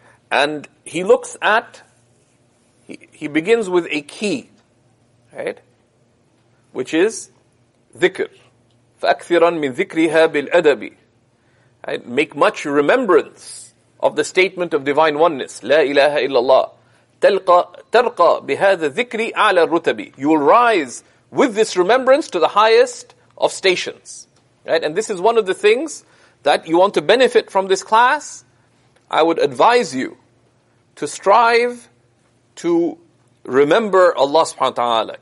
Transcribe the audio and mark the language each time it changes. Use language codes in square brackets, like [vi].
[en] And he looks at, he begins with a key, right? Which is dhikr. [ar] فَأَكْثِرًا مِنْ ذِكْرِهَا بِالْأَدَبِ. [en] Make much remembrance of the statement of divine oneness. [ar] لا إله إلا الله. ترقى بهذا الذكر أعلى الرتب. [en] You will rise with this remembrance to the highest of stations. Right? And this is one of the things that you want to benefit from this class. I would advise you to strive to remember Allah subhanahu wa ta'ala.